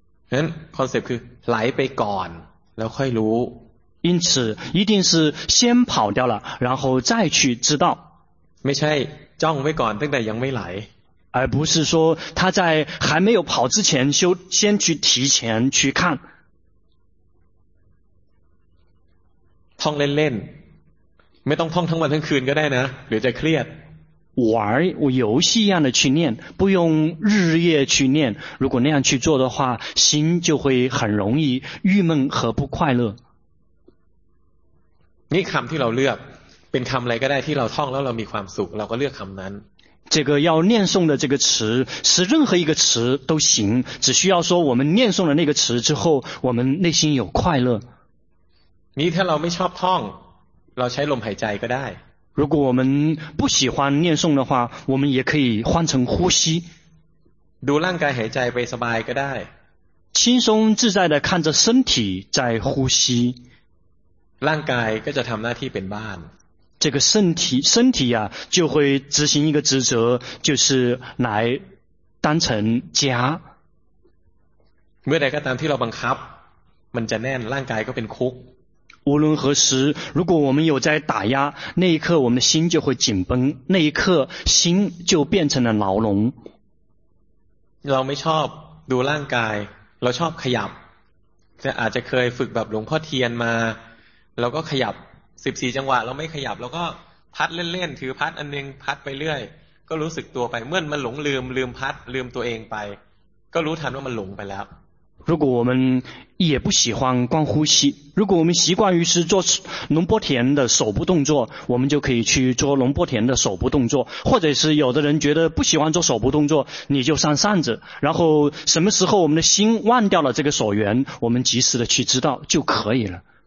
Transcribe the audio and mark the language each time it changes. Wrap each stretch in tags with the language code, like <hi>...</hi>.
<th>นั้นคอนเซ็ปต์คือไหลไปก่อนแล้วค่อยรู้</th> <zh>因此一定是先跑掉了然后再去知道</zh> <th>ไม่ใช่จ้องไว้ก่อนตั้งแต่ยังไม่ไหล</th> <zh>而不是说他在还没有跑之前就先去提前去看</zh> <th>ท่องเล่นๆไม่ต้องท่องทั้งวันทั้งคืนก็ได้นะเดี๋ยวจะเครียด</th> <zh>玩游戏一样的去念不用日夜去念如果那样去做的话心就会很容易郁闷和不快乐</zh> <th>นี่คำที่เราเลือกเป็นคำอะไรก็ได้ที่เราท่องแล้วเรามีความสุขเราก็เลือกคำนั้น</th> <zh>这个要念诵的这个词是任何一个词都行只需要说我们念诵了那个词之后我们内心有快乐你</zh> <th>ถ้าเราไม่ชอบท่องเราใช้ลมหายใจก็ได้</th> <zh>如果我们不喜欢念诵的话我们也可以换成呼吸</zh> <th>ดูร่างกายหายใจไปสบายก็ได้</th> <zh>轻松自在的看着身体在呼吸</zh> <th>ร่างกายก็จะทำหน้าที่เป็นบ้าน</th> <zh>这个身体呀、啊，就会执行一个职责，就是来当成家。</zh> <th>เมื่อใดก็ตามที่เราบังคับมันจะแน่นร่างกายก็เป็นคุก</th> <zh>无论何时如果我们有在打压那一刻我们的心就会紧绷那一刻心就变成了牢笼</zh> <th>เราไม่ชอบดูร่างกายเราชอบขยับจะอาจจะเคยฝึกแบบหลวงพ่อเทียนมาเราก็ขยับ14จังหวะเราไม่ขยับเราก็พัดเล่นๆถือพัดอันนึงพัดไปเรื่อยก็รู้สึกตัวไปเมื่อมันหลงลืมพัดลืมตัวเองไปก็รู้ทันว่ามันหลงไปแล้ว</th> <zh>如果我们也不喜欢光呼吸如果我们习惯于是做龙波田的手部动作我们就可以去做龙波田的手部动作或者是有的人觉得不喜欢做手部动作你就上扇子然后什么时候我们的心忘掉了这个所缘我们及时的去知道就可以了</zh>